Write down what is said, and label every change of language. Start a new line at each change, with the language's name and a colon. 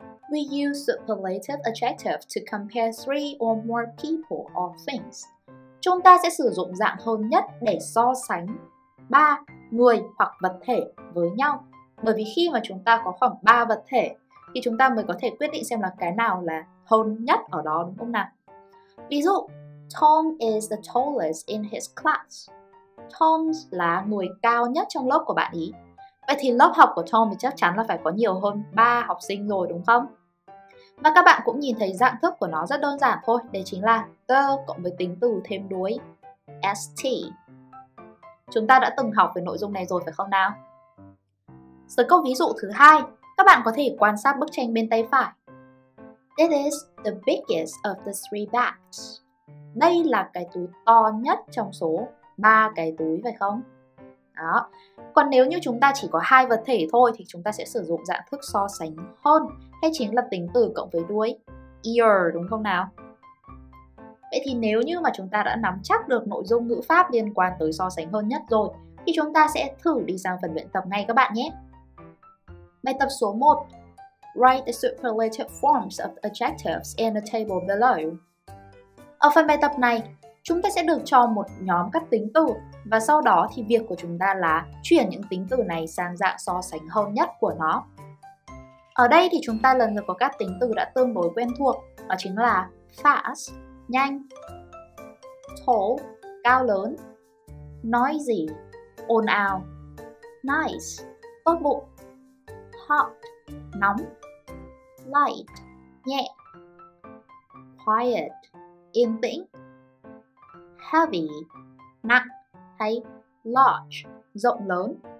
English: We use superlative adjective to compare three or more people or things.
Vietnamese: Chúng ta sẽ sử dụng dạng hơn nhất để so sánh ba người hoặc vật thể với nhau. Bởi vì khi mà chúng ta có khoảng ba vật thể thì chúng ta mới có thể quyết định xem là cái nào là hơn nhất ở đó, đúng không nào? Ví dụ,
English: Tom is the tallest in his class.
Vietnamese: Tom là người cao nhất trong lớp của bạn ý. Vậy thì lớp học của Tom thì chắc chắn là phải có nhiều hơn 3 học sinh rồi, đúng không? Và các bạn cũng nhìn thấy dạng thức của nó rất đơn giản thôi. Đấy chính là the cộng với tính từ thêm đuôi st. Chúng ta đã từng học về nội dung này rồi phải không nào? Rồi câu ví dụ thứ hai, các bạn có thể quan sát bức tranh bên tay phải.
English: It is the biggest of the three bags.
Vietnamese: Đây là cái túi to nhất trong số 3 cái túi phải không? Đó. Còn nếu như chúng ta chỉ có hai vật thể thôi thì chúng ta sẽ sử dụng dạng thức so sánh hơn, hay chính là tính từ cộng với đuôi ear, đúng không nào? Vậy thì nếu như mà chúng ta đã nắm chắc được nội dung ngữ pháp liên quan tới so sánh hơn nhất rồi thì chúng ta sẽ thử đi sang phần luyện tập ngay các bạn nhé. Bài tập số 1.
English: Write the superlative forms of adjectives in the table below.
Vietnamese: Ở phần bài tập này, chúng ta sẽ được cho một nhóm các tính từ và sau đó thì việc của chúng ta là chuyển những tính từ này sang dạng so sánh hơn nhất của nó. Ở đây thì chúng ta lần lượt có các tính từ đã tương đối quen thuộc, đó chính là fast, nhanh, tall, cao lớn, noisy, ồn ào, nice, tốt bụng, hot, nóng, light, nhẹ, quiet, yên tĩnh, heavy, nặng, hay large, rộng lớn.